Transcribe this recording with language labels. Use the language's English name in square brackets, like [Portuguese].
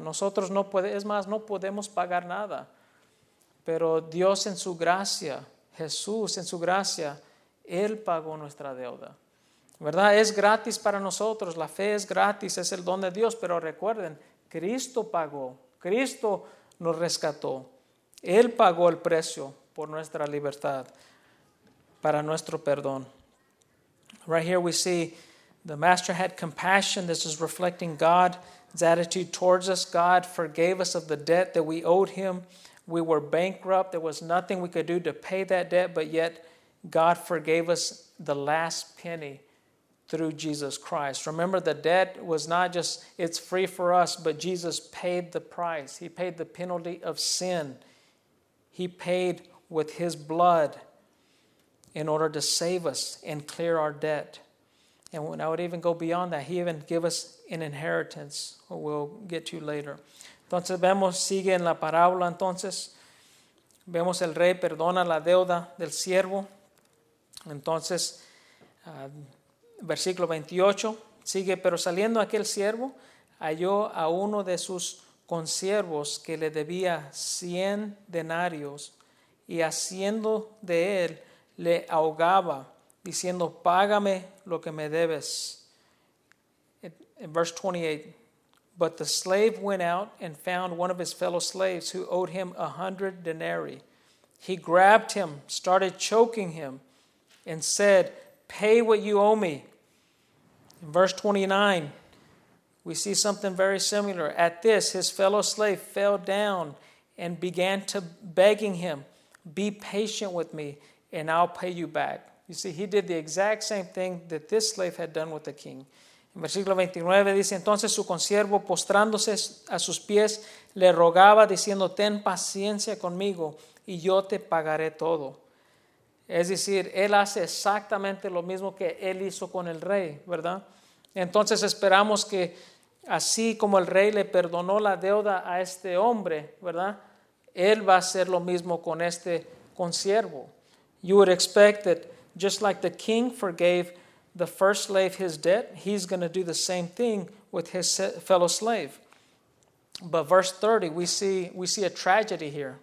[Spanish] Nosotros no podemos, es más, no podemos pagar nada. Pero Dios en su gracia, Jesús en su gracia, Él pagó nuestra deuda. ¿Verdad? Es gratis para nosotros. La fe es gratis, es el don de Dios. Pero recuerden, Cristo pagó. Cristo nos rescató. Él pagó el precio por nuestra libertad, para nuestro perdón. [English] Right here we see the master had compassion. This is reflecting God's attitude towards us. God forgave us of the debt that we owed him. We were bankrupt. There was nothing we could do to pay that debt, but yet God forgave us the last penny through Jesus Christ. Remember, the debt was not just, it's free for us, but Jesus paid the price. He paid the penalty of sin. He paid with his blood in order to save us and clear our debt. And I would even go beyond that. He even gave us an inheritance, which we'll get to later. [Spanish] Entonces vemos, sigue en la parábola entonces. Vemos el rey perdona la deuda del siervo. Entonces, versículo 28, sigue, pero saliendo aquel siervo, halló a uno de sus consiervos que le debía 100 denarios y haciendo de él le ahogaba, diciendo, págame lo que me debes. [English] In verse 28, but the slave went out and found one of his fellow slaves who owed him 100 denarii. He grabbed him, started choking him, and said, pay what you owe me. In verse 29, we see something very similar. At this, his fellow slave fell down and began to begging him, be patient with me, and I'll pay you back. You see, he did the exact same thing that this slave had done with the king. [Spanish] En versículo 29 dice, entonces su consiervo postrándose a sus pies, le rogaba diciendo, ten paciencia conmigo y yo te pagaré todo. Es decir, él hace exactamente lo mismo que él hizo con el rey, ¿verdad? Entonces esperamos que así como el rey le perdonó la deuda a este hombre, ¿verdad? Él va a hacer lo mismo con este consiervo. [English] You would expect that just like the king forgave the first slave his debt, he's going to do the same thing with his fellow slave. But verse 30, we see a tragedy here.